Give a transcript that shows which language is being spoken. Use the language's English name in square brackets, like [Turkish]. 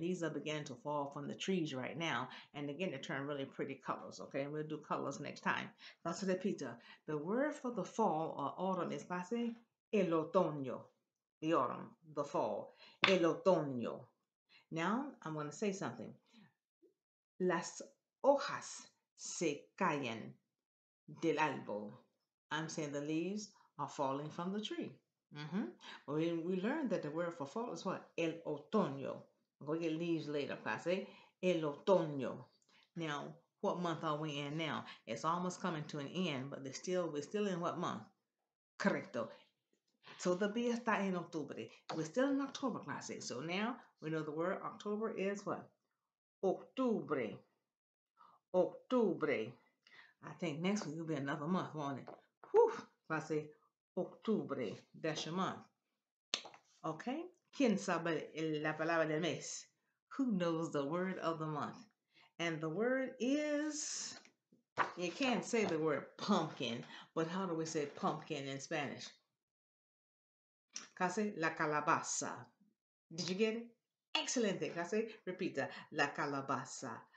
[English] These are beginning to fall from the trees right now. And again, they turn really pretty colors, okay? And we'll do colors next time. Clase de Peter, the word for the fall or autumn is clase [Spanish] el otoño, [English] the autumn, the fall, el otoño. Now, I'm going to say something. [Spanish] Las hojas se caen del árbol. [English] I'm saying the leaves are falling from the tree. Mm-hmm. We learned that the word for fall is what? El otoño. We'll get leaves later, clase. El otoño. Now, what month are we in now? It's almost coming to an end, but we're still in what month? Correcto. So the B [Spanish] está en octubre. [English] We're still in October, clase. So now we know the word October is what? Octubre. Octubre. I think next week will be another month, won't it? Whew, clase. Octubre, that's your month. Okay? [Spanish] ¿Quién sabe la palabra del mes? [English] Who knows the word of the month? And the word is, you can't say the word pumpkin, but how do we say pumpkin in Spanish? Case [Spanish] la calabaza. [English] Did you get it? Excellent. Case, repeat that. [Spanish] La calabaza.